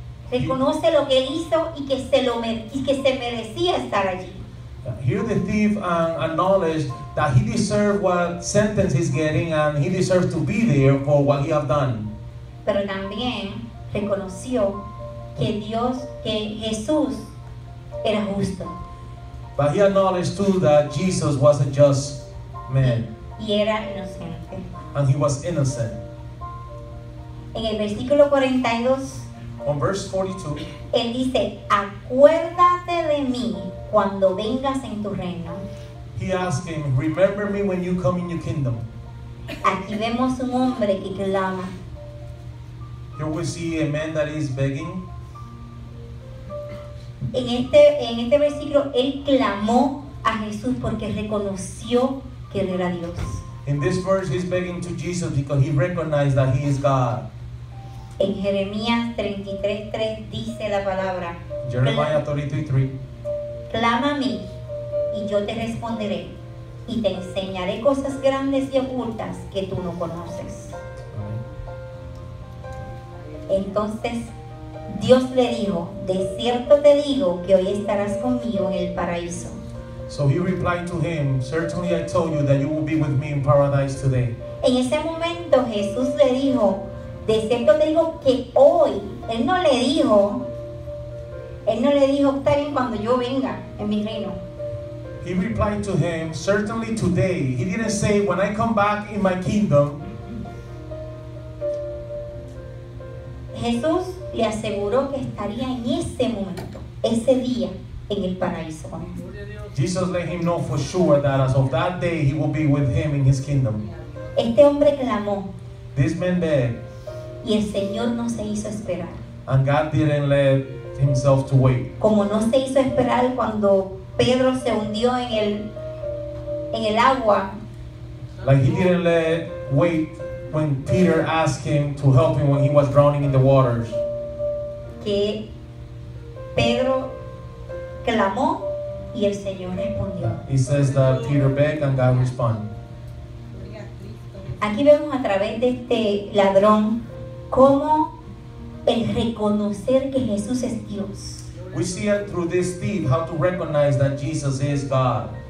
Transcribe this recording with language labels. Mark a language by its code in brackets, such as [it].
[es] Reconoce lo que hizo y que se merecía estar allí. [en] Here the thief acknowledged that he deserved what sentence he's getting and he deserves to be there for what he has done. [es] Pero también reconoció que Dios, que Jesús era justo. [en] But he acknowledged too that Jesus was a just man. [es] Y era inocente. [en] And he was innocent. [es] En el versículo 42. [en] On verse 42. [es] Él dice, acuérdate de mí cuando vengas en tu reino. [en] He asked him, remember me when you come in your kingdom. [es] Aquí vemos un hombre que clama. [en] Here we see a man that is begging. [es] En este versículo, él clamó a Jesús porque reconoció que él era Dios. [en] In this verse, he's begging to Jesus because he recognized that he is God. [es] En Jeremías 33:3 dice la palabra. [en] Jeremiah 33:3. [es] Clama a mí y yo te responderé y te enseñaré cosas grandes y ocultas que tú no conoces. Entonces Dios le dijo, de cierto te digo que hoy estarás conmigo en el paraíso. [en] So he replied to him, certainly I told you that you will be with me in paradise today. [es] En ese momento Jesús le dijo, de cierto te digo que hoy. Él no le dijo, está bien cuando yo venga en mi reino. [en] He replied to him, certainly today. He didn't say, when I come back in my kingdom. [es] Jesús le aseguró que estaría en ese momento, ese día, en el paraíso. [en] Jesus let him know for sure that as of that day he will be with him in his kingdom. [es] Este hombre clamó. [en] This man begged. [es] Y el Señor no se hizo esperar. [en] And God didn't let himself to wait. [es] Como no se hizo esperar cuando Pedro se hundió en el agua. [en] Like he didn't let wait when Peter asked him to help him when he was drowning in the waters. [es] Que Pedro clamó y el Señor respondió. [en] He says that Peter begged and God responded. [es] Aquí vemos a través de este ladrón cómo el reconocer que Jesús es Dios. [en] We see it through this thief how to recognize that Jesus is God.